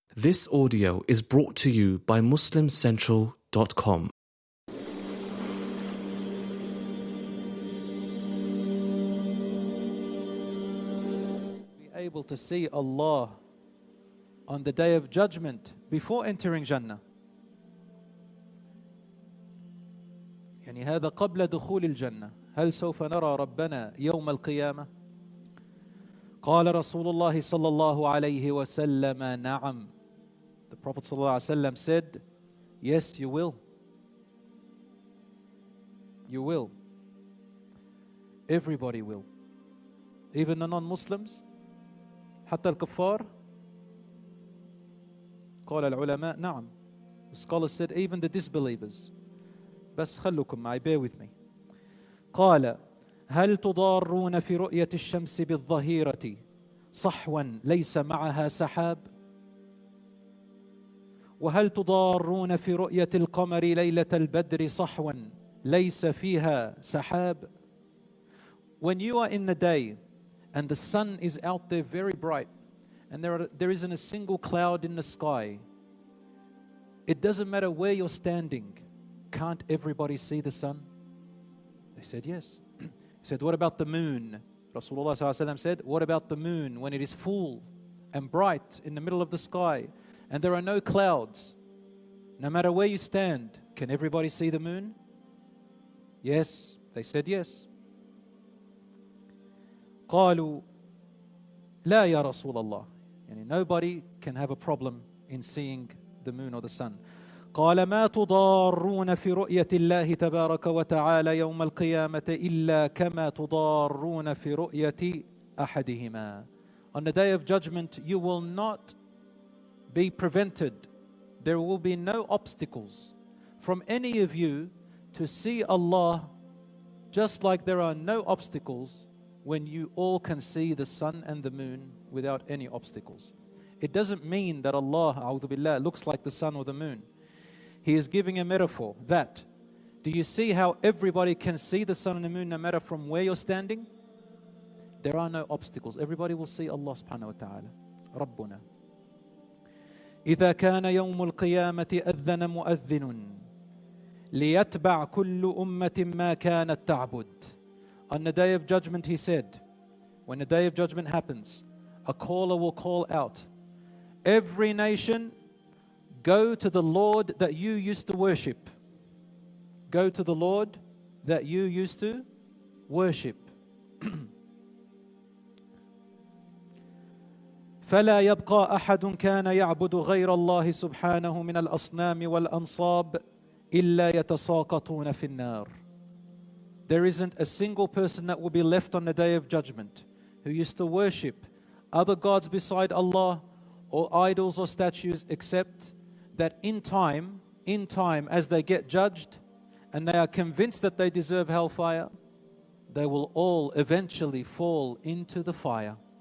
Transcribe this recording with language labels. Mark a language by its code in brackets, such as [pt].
[en] This audio is brought to you by MuslimCentral.com. Be able to see Allah on the Day of Judgment before entering Jannah. [ar] يعني هذا قبل دخول الجنة هل سوف نرى ربنا يوم القيامة؟ قال رسول الله صلى الله عليه وسلم نعم. [en] The Prophet [ar] صلى الله عليه وسلم [en] said, yes, you will. You will. Everybody will. Even the non-Muslims, [ar] حتى الكفار. قال العلماء نعم. [en] The scholars said, even the disbelievers. [ar] بس خلوكم معي, [en] bear with me. [ar] قال هل تضارون في رؤية الشمس بالظهيرة صحوا ليس معها سحاب وهل تضارون في رؤية القمر ليلة البدر صحوا ليس فيها سحاب. [en] When you are in the day and the sun is out there very bright and there isn't a single cloud in the sky, it doesn't matter where you're standing, can't everybody see the sun? They said yes. He said, what about the moon? Rasulullah sallallahu alaihi wasallam said, what about the moon when it is full and bright in the middle of the sky and there are no clouds? No matter where you stand, can everybody see the moon? Yes, they said yes. [ar] قالوا لا يا رسول الله. [en] And nobody can have a problem in seeing the moon or the sun. [ar] قال ما تضارون في رؤية الله تبارك وتعالى يوم القيامة إلا كما تضارون في رؤية أحدهما. [en] On the day of judgment, you will not be prevented. There will be no obstacles from any of you to see Allah, just like there are no obstacles when you all can see the sun and the moon without any obstacles. It doesn't mean that Allah, أعوذ بالله, looks like the sun or the moon. He is giving a metaphor that, do you see how everybody can see the sun and the moon no matter from where you're standing? There are no obstacles. Everybody will see Allah subhanahu wa ta'ala, Rabbuna. [ar] إِذَا كَانَ يَوْمُ الْقِيَامَةِ أَذَّنَ مُؤَذِّنٌ لِيَتْبَعْ كُلُّ أُمَّةٍ مَّا كَانَتْ تَعْبُدٌ. [en] On the day of judgment, he said, when the day of judgment happens, a caller will call out, every nation, go to the Lord that you used to worship. Go to the Lord that you used to worship. [ar] فلا يبقى أحد كان يعبد غير الله سبحانه من الأصنام والأنصاب إلا يتساقطون في النار. [en] There isn't a single person that will be left on the day of judgment who used to worship other gods beside Allah or idols or statues except that in time, as they get judged and they are convinced that they deserve hellfire, they will all eventually fall into the fire.